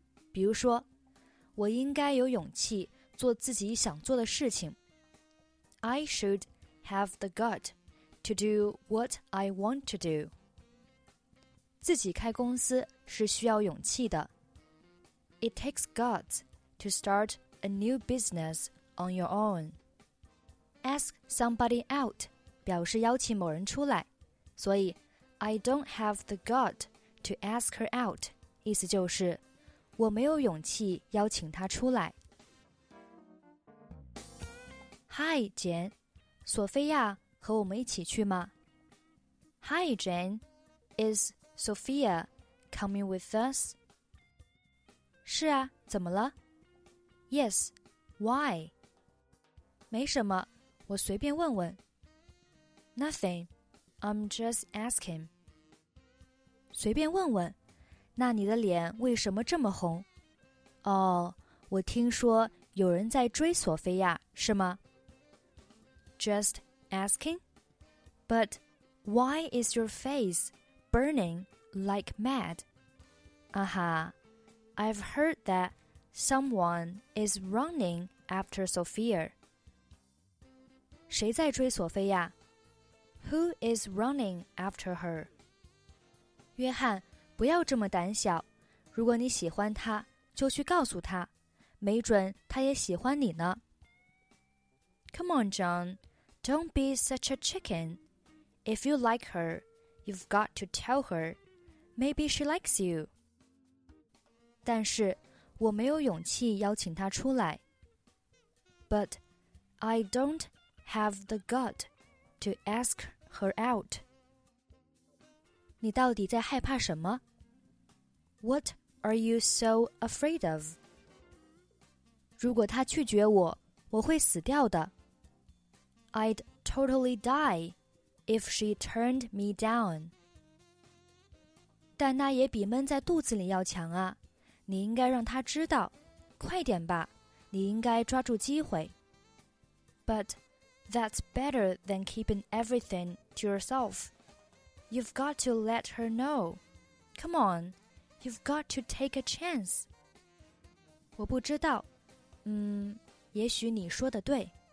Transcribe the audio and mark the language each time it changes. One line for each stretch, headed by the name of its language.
Chinese: 比如说，我应该有勇气做自己想做的事情。
English: I should have the gut to do what I want to do.
Chinese: 自己开公司是需要勇气的。
English: It takes guts to start a new business on your own. Ask somebody out
Chinese: 表示邀请某人出来。所以
English: I don't have the gut to ask her out
Chinese: 意思就是我没有勇气邀请她出来。
English: Hi, Jane.
Chinese: 索菲亚和我们一起去吗 ?Hi, Jane.
English: Is Sophia coming with us?
Chinese: 是啊,怎么了
English: ?Yes, why?
Chinese: 没什么,我随便问问。
English: Nothing, I'm just asking.
Chinese: 随便问问。那你的脸为什么这么红？哦，我听说有人在追索菲亚，是吗？
English: Just asking? But why is your face burning like mad? 啊哈，I've heard that someone is running after Sophia.
Chinese: 谁在追索菲亚？
English: Who is running after her?
Chinese: 约翰不要这么胆小，如果你喜欢他，就去告诉他，没准他也喜欢你呢。
English: Come on, John, don't be such a chicken. If you like her, you've got to tell her. Maybe she likes you.
Chinese: 但是，我没有勇气邀请她出来。
English: But I don't have the gut to ask her out.
Chinese: 你到底在害怕什么？
English: What are you so afraid of?
Chinese: 如果他拒绝我，我会死掉的。
English: I'd totally die if she turned me down.
Chinese: 但那也比闷在肚子里要强啊。你应该让他知道。快点吧，你应该抓住机会。
English: But that's better than keeping everything to yourself. You've got to let her know. Come on. You've got to take a chance.
Chinese: 我不知道。也许你说的对。